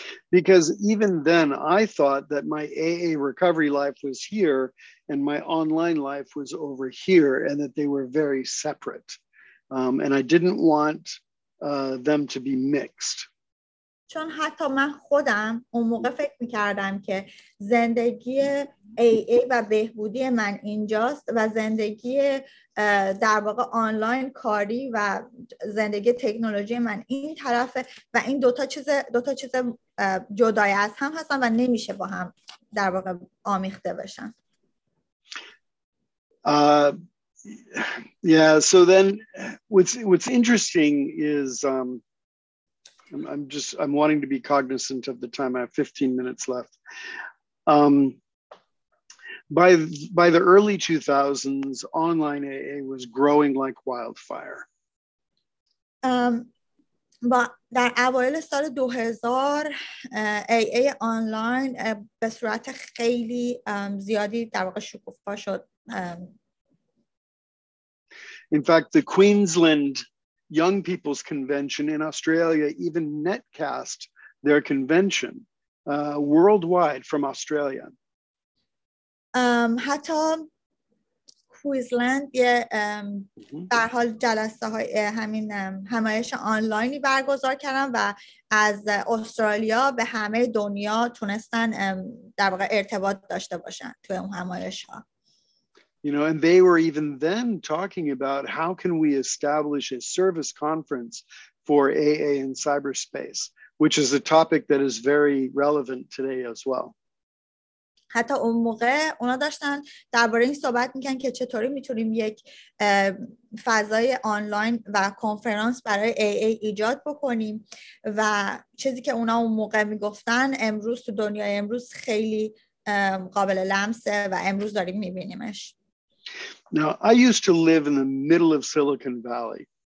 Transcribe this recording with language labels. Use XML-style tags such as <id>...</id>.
<en>Because even then I thought that my AA recovery life was here and my online life was over here and that they were very separate. And I didn't want them to be mixed.</en> <fa>چون حتی من خودم اون موقع فکر میکردم که زندگی AA و بهبودی من اینجاست و زندگی در واقع آنلاین کاری و زندگی تکنولوژی من این طرفه و این دوتا چیز جدای از هم هستن و نمیشه با هم در واقع آمیخته بشن.</fa> <en>So then what's interesting is I'm wanting to be cognizant of the time. I have 15 minutes left. By the early 2000s, online AA was growing like wildfire.</en> <fa>در اوایل سال 2000 AA online به صورت خیلی زیادی در واقع شکوفا شد.</fa> <en>In fact, the Queensland Young People's Convention in Australia even netcast their convention worldwide from Australia.</en> <fa>حتی کوئزلند در حال جلسه های همین همایش آنلاینی برگزار کردن و از استرالیا به همه دنیا تونستن در واقع ارتباط داشته باشن توی اون همایش ها.</fa> <en>You know, and they were even then talking about how can we establish a service conference for AA in cyberspace, which is a topic that is very relevant today as well.</en> <fa>حتی اون موقع اونا داشتن درباره این صحبت میکنن که چطوری میتونیم یک فضای آنلاین و کنفرانس برای AA ایجاد بکنیم و چیزی که اونا اون موقع میگفتن امروز تو دنیای امروز خیلی قابل لمسه و امروز داریم میبینیمش.</fa> <en>Now, I used to live in the middle of Silicon Valley.</en>